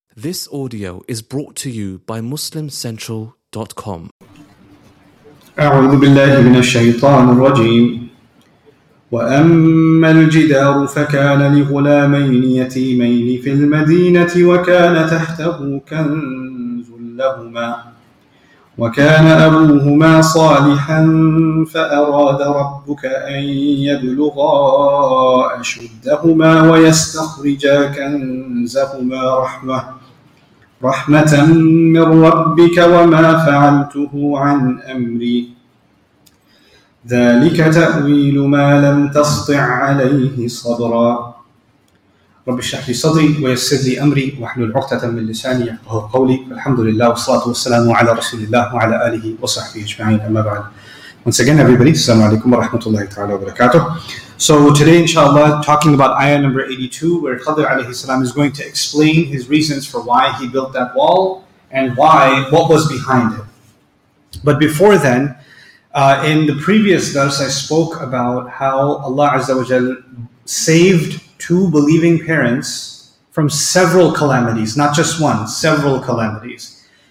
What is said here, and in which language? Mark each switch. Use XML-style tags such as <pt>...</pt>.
<en>This audio is brought to you by MuslimCentral.com.</en> <ar>أعوذ بالله من الشيطان الرجيم. وأما الجدار فكان لغلامين يتيمين في المدينة وكان تحته كنز لهما وكان أبوهما صالحا فأراد ربك أن يبلغا أشدهما ويستخرجا كنزهما رحمة من ربك وما فعلته عن أمري ذلك تأويل ما لم تستطع عليه صبرا رب اشرح لي صدري ويسر لي أمري واحلل عقدة من لساني يفقهوا قولي الحمد لله والصلاة والسلام على رسول الله وعلى آله وصحبه أجمعين أما بعد.</ar> <en>Once again, everybody,</en> <ar>السلام عليكم ورحمة الله تعالى وبركاته.</ar> <en>So today, inshallah, talking about ayah number 82, where Khadr alayhi salam is going to explain his reasons for why he built that wall and why, what was behind it. But before then, in the previous verse, I spoke about how Allah Azza wa Jal saved two believing parents from several calamities, not just one, several calamities.</en>